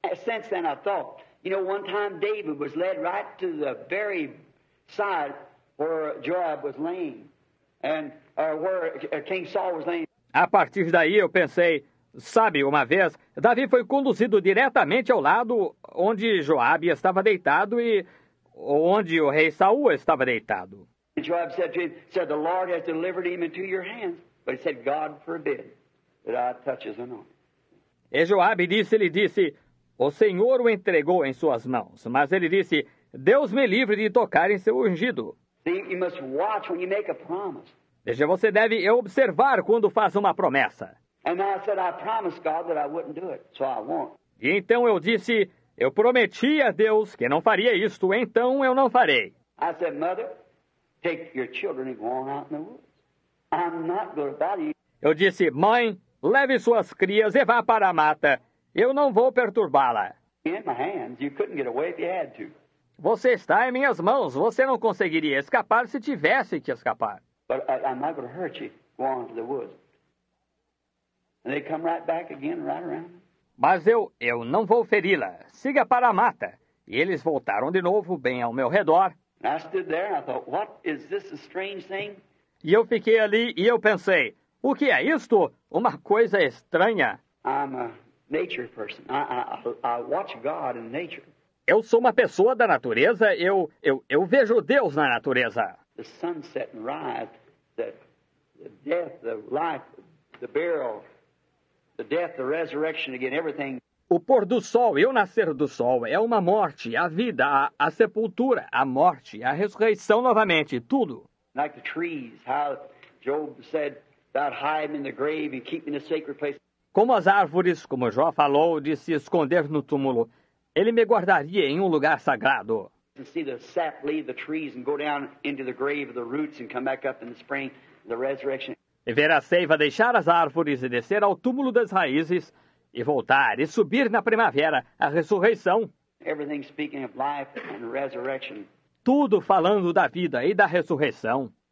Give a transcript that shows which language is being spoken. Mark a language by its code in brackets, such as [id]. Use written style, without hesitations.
[en] Since then I thought, you know, one time David was led right to the very side where Joab was laying, and where King Saul was laying. [pt] A partir daí eu pensei, sabe, uma vez, Davi foi conduzido diretamente ao lado onde Joab estava deitado e onde o rei Saul estava deitado. [en] And Joab said to him, said, the Lord has delivered him into your hands. But he said, God forbid that I touch his anointed. [pt] E Joab disse, o Senhor o entregou em suas mãos. Mas ele disse, Deus me livre de tocar em seu ungido. [en] You must watch when you make a promise. [pt] Veja, você deve observar quando faz uma promessa. [en] And I said, I promised God that I wouldn't do it, so I won't. [pt] E então eu disse, eu prometi a Deus que não faria isto, então eu não farei. [en] I said, mother, take your children and go on out in the woods. I'm not going to bother you. [pt] Eu disse, mãe, leve suas crias e vá para a mata. Eu não vou perturbá-la. [en] In my hands, you couldn't get away if you had to. [pt] Você está em minhas mãos. Você não conseguiria escapar se tivesse que escapar. [en] But I'm not going to hurt you. Go on to the woods. And they come right back again, right around. [pt] Mas eu não vou feri-la. Siga para a mata. E eles voltaram de novo bem ao meu redor. [en] And I stood there and I thought, what is this a strange thing? [pt] E eu fiquei ali e eu pensei, o que é isto? Uma coisa estranha. [en] I'm a nature person. I watch God in nature. [pt] Eu sou uma pessoa da natureza, eu vejo Deus na natureza. [en] The sunset and rise, the death, the life, the burial, the death, the resurrection again, everything. [pt] O pôr do sol e o nascer do sol é uma morte, a vida, a sepultura, a morte, a ressurreição novamente, tudo. [en] Like the trees, how Job said, about hiding in the grave and keeping the sacred place. [pt] Como as árvores, como Jó falou, de se esconder no túmulo, ele me guardaria em um lugar sagrado. [en] To see the sap leave the trees and go down into the grave of the roots and come back up in the spring, the resurrection. [pt] E ver a seiva deixar as árvores e descer ao túmulo das raízes e voltar e subir na primavera, a ressurreição. [en] Everything speaking of life and resurrection. [pt] Tudo falando da vida e da ressurreição.